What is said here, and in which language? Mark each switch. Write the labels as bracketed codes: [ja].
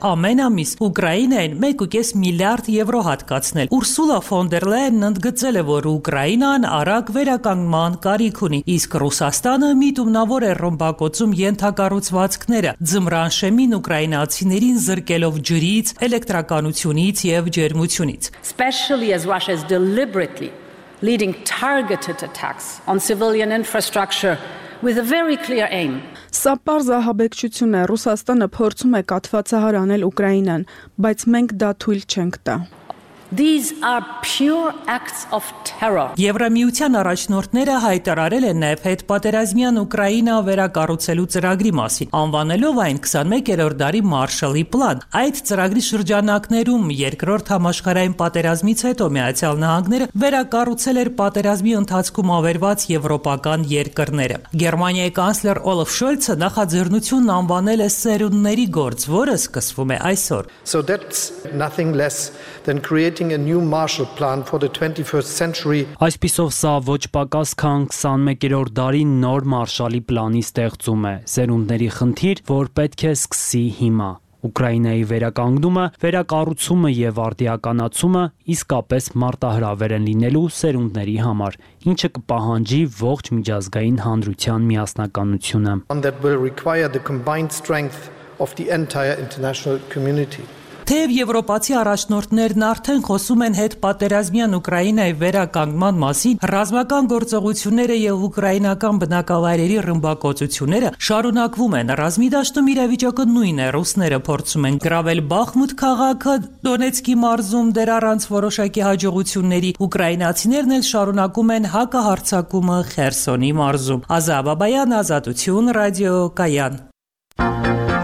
[hy] ամեն ամիս Ուկրաինային 1.5 միլիարդ եվրո հատկացնել։ Ուրսուլա ֆոն դեր Լայենն ընդգծել է, որ Ուկրաինան արագ վերականգնման կարիք ունի, իսկ Ռուսաստանը միտումնավոր է ռմբակոծում ենթակառուցվածքները, ձմռան շեմին ուկրաինացիներին զրկելով ջրից, էլեկտրականությունից և ջերմությունից։ [en] Especially as Russia is deliberately leading targeted attacks on civilian infrastructure with a very clear aim. [hy] Սա պարզ ահաբեկչություն է, Ռուսաստանը փորձում է կաթվածահար անել Ուկրաինան, բայց մենք դա թույլ չենք տա։ [en] These are pure acts of terror. [hy] Եվրամիության առաջնորդները հայտարարել են նաև հետպատերազմյան Ուկրաինա վերակառուցելու ծրագրի մասին, անվանելով այն 21-րդ դարի Մարշալի պլան։ Այդ ծրագրի շրջանակներում երկրորդ համաշխարհային պատերազմից հետո Միացյալ Նահանգները վերակառուցել էր պատերազմի ընթացքում ավերված եվրոպական երկրները։ Գերմանիայի կանսլեր Օլաֆ Շոլցը նախաձեռնությունն անվանել է սերունդների գործ, որը սկսվում է այսօր։ [en] So that's nothing less than creating a new Marshall Plan for the 21st century. [hy] Այսպիսով սա ոչ պակաս քան 21-րդ դարի նոր Մարշալի պլանի ստեղծում է, սերունդների խնդիր, որ պետք է սկսի հիմա։ Ուկրաինայի վերականգնումը, վերակառուցումը եւ արդիականացումը իսկապես մարտահրավեր են լինելու սերունդների համար, ինչը կպահանջի ողջ միջազգային հանրության միասնականությունը. [en] And that will require the combined strength of the entire international community. [hy] Թեև եվրոպացի առաջնորդներն արդեն խոսում են հետպատերազմյան Ուկրաինայի վերականգնման մասին, ռազմական գործողությունները եւ ուկրաինական բնակավայրերի ռմբակոծությունները շարունակվում են, ռազմիդաշտում իրավիճակը նույնն է, ռուսները փորձում են գրավել Բախմուտ քաղաքը Դոնեցկի մարզում դեռ առանց որոշակի հաջողությունների, ուկրաինացիներն էլ շարունակում են հակահարձակումը Խերսոնի մարզում։ Ազա Աբաբայան, Ազատություն ռադիո, Կայան։